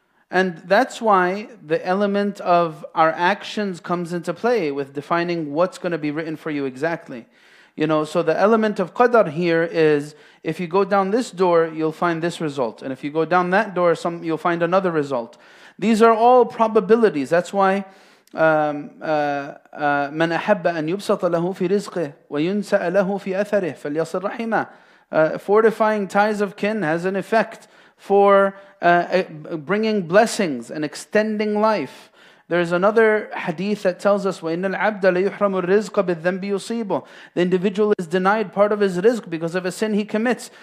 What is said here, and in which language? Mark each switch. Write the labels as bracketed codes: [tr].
[en] And that's why the element of our actions comes into play with defining what's going to be written for you exactly. You know, so the element of qadr here is, if you go down this door, you'll find this result. And if you go down that door, you'll find another result. These are all probabilities. That's why [ar] من أحب أن يبسط له في رزقه وينسأ له في أثره فليصل رحمه. [en] Fortifying ties of kin has an effect for bringing blessings and extending life. There is another hadith that tells us, [ar] وَإِنَّ الْعَبْدَ لَيُحْرَمُ الرِّزْقَ بِالذَّنْبِ يُصِيبُ. [en] The individual is denied part of his rizq because of a sin he commits.